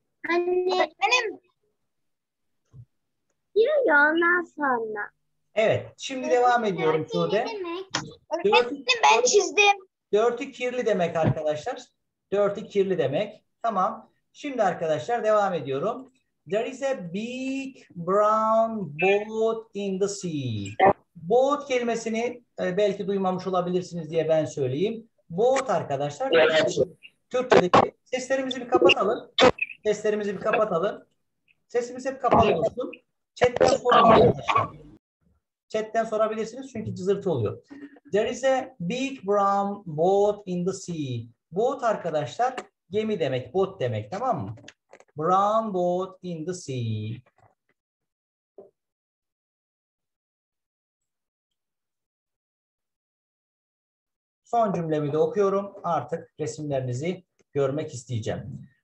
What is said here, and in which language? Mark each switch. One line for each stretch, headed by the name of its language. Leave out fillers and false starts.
Turkish: Anne. Benim. Ondan sonra. Evet, şimdi dört devam ediyorum Tude. Dirty ben çizdim. Dirty kirli demek arkadaşlar. Dirty kirli demek. Tamam. Şimdi arkadaşlar devam ediyorum.
English: There is a big brown boat in the sea.
Turkish: Boat kelimesini belki duymamış olabilirsiniz diye ben söyleyeyim. Boat arkadaşlar. Türkçedeki seslerimizi bir kapatalım. Seslerimizi bir kapatalım. Sesimiz hep kapalı olsun. Chatten sorabilirsiniz. Chatten sorabilirsiniz çünkü cızırtı oluyor.
English: There is a big brown boat in the sea.
Turkish: Boat arkadaşlar gemi demek, boat demek, tamam mı?
English: Brown boat in the sea.
Turkish: Son cümlemi de okuyorum. Artık resimlerinizi görmek isteyeceğim.